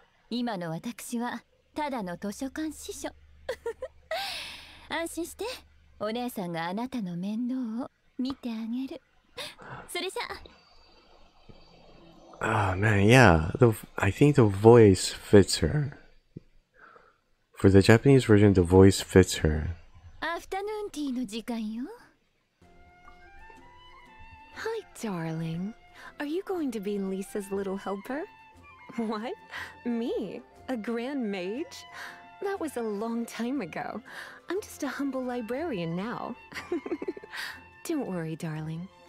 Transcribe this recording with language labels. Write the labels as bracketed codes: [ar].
[ja] 今の私はただの図書館司書。安心して、お姉さんがあなたの面倒を見てあげる。それじゃあ。 [en] Man, yeah, I think the voice fits her. For the Japanese version, the voice fits her. [ja] アフタヌーンティーの時間よ。 [en] Hi, darling. Are you going to be Lisa's little helper? What? Me? A grand mage? That was a long time ago. I'm just a humble librarian now. Don't worry, darling.